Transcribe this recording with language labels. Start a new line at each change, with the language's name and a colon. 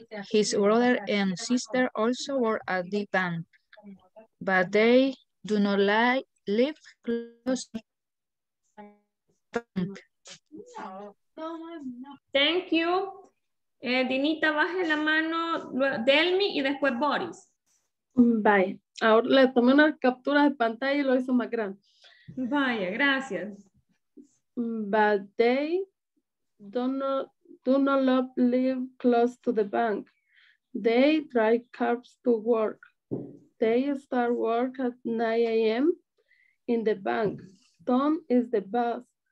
English: His brother and sister also work at the bank, but they do not live close to the bank. Thank you.
Spanish: Dinita, baje la mano, Delmi y después Boris.
English: Bye.
Spanish: Ahora le tomé una captura de pantalla y lo hizo más grande. Vaya, gracias.
English: But they do not live close to the bank. They drive cars to work. They start work at 9 a.m. in the bank. Tom is the boss.